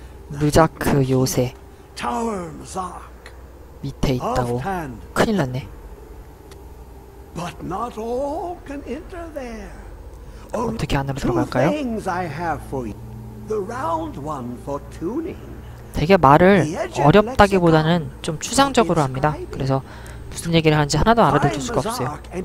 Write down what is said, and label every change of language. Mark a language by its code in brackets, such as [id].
[ko] 르자크 요새 밑에 있다고. 큰일 났네. [en] But not all can enter there. [ko] 어떻게 안으로 들어갈까요? [en] The round one for tuning. [ko] 되게 말을 어렵다기보다는 좀 추상적으로 합니다. 그래서 무슨 얘기를 하는지 하나도 알아들을 수가 없어요.